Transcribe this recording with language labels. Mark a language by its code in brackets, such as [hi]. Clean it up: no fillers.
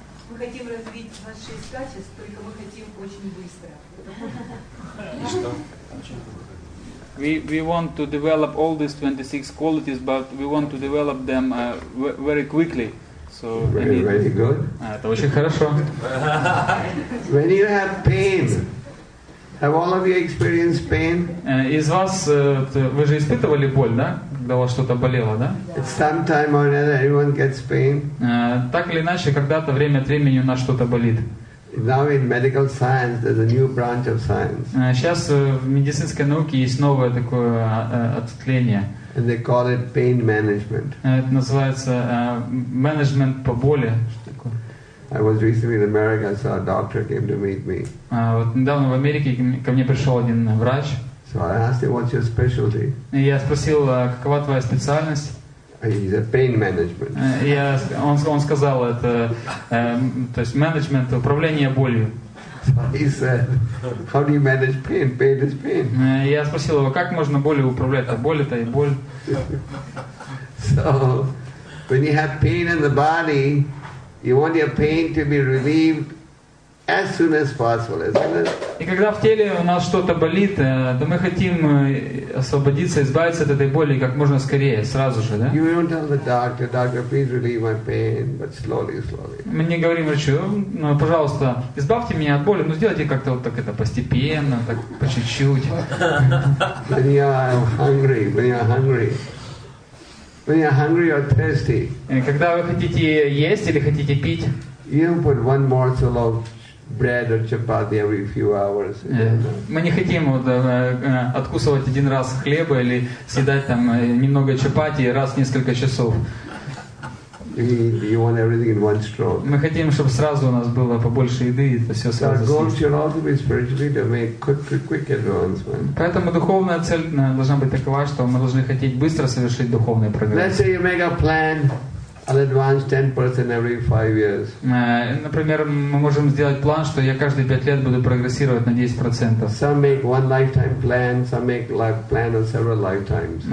[ru] Мы хотим развить 26 качеств, только мы хотим очень быстро. И что? [en] We want to develop all these 26 qualities, but we want to develop them very quickly. So very, very good. [ru] Это очень хорошо. [en] When you have pain, have all of you experienced pain? [ru] Из вас, вы же испытывали боль, да? Когда у вас что-то болело, да? [en] Sometime or another, everyone gets pain. [ru] Так или иначе, когда-то время от времени у нас что-то болит. [en] Now in medical science, there's a new branch of science. [ru] Сейчас в медицинской науке есть новое такое ответвление. [en] And they call it pain management. [ru] Это называется менеджмент по боли. [en] I was recently in America, so a doctor came to meet me. [ru] Вот недавно в Америке ко мне пришел один врач. [en] So I asked him, "What's your specialty?" [ru] Я спросил, какова твоя специальность? [en] He said, "Pain management." [ru] Он сказал, это то есть менеджмент, управление болью. [en] He said, "How do you manage pain? Pain is pain." [ru] Я спросил его, как можно болью управлять? А боль это и боль. [en] So when you have pain in the body, you want your pain to be relieved as soon as possible. [ru] И когда в теле у нас что-то болит, то мы хотим освободиться, избавиться от этой боли как можно скорее, сразу же, да? [en] You don't tell the doctor, doctor, please relieve my pain, but slowly, slowly. [ru] Мы не говорим врачу, ну, пожалуйста, избавьте меня от боли, но сделайте как-то вот так это постепенно, так по чуть-чуть. [en] When you are hungry, when you are hungry. When you're hungry or thirsty. [ru] Когда вы хотите есть или хотите пить? [en] You put one morsel of bread or chapati every few hours. [ru] Мы не хотим вот откусывать один раз хлеба или съедать там немного чапати раз в несколько часов. [en] You want everything in one stroke. [ru] Мы хотим, чтобы сразу у нас было побольше еды, и это все сразу. [en] Our goal should also be spiritually to make quick advancement. [ru] Поэтому духовная цель должна быть такова, что мы должны хотеть быстро совершить духовный прогресс. [en] Let's say you make a plan. I'll advance 10% every 5 years. [ru] Например, мы можем сделать план, что я каждые 5 лет буду прогрессировать на 10%. [en] Some make one lifetime plan, some make life plan on several lifetimes.